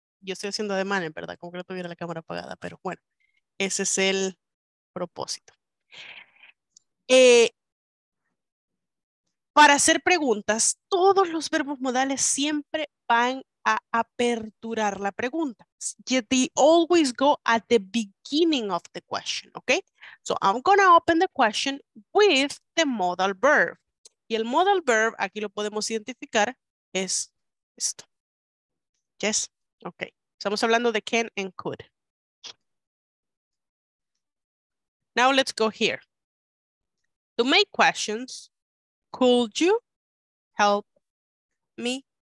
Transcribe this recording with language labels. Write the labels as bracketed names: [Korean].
[Spanish] Yo estoy haciendo ademán, ¿verdad? Como que no tuviera la cámara apagada, pero bueno, ese es el propósito. Para hacer preguntas, todos los verbos modales siempre van a aperturar la pregunta. [English] Yet they always go at the beginning of the question, ¿ok? So I'm going to open the question with the modal verb. [Spanish] Y el modal verb, aquí lo podemos identificar, es esto. Yes, ok. Estamos hablando de can and could. [English] Now let's go here. To make questions, could you help me?